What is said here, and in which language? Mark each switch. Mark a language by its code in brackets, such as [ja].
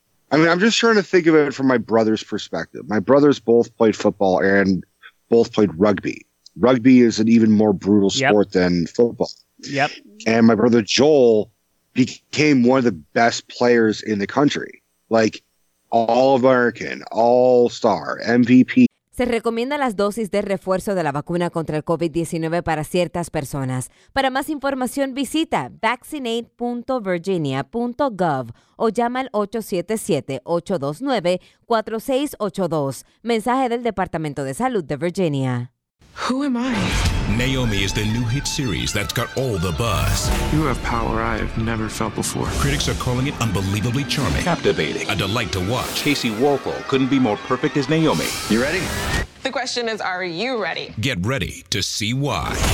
[en] I mean, I'm just trying to think of it from my brother's perspective. My brothers both played football and both played rugby. Rugby is an even more brutal sport than football. Yep. And my brother Joel became one of the best players in the country. Like, All-American, All-Star, MVP. [es] Se recomiendan las dosis de refuerzo de la vacuna contra el COVID-19 para ciertas personas. Para más información, visita vaccinate.virginia.gov o llama al 877-829-4682. Mensaje del Departamento de Salud de Virginia. [en] Who am I? Naomi is the new hit series that's got all the buzz. You have power I have never felt before. Critics are calling it unbelievably charming. Captivating. A delight to watch. Casey Walpole couldn't be more perfect as Naomi. You ready? The question is, are you ready? Get ready to see why.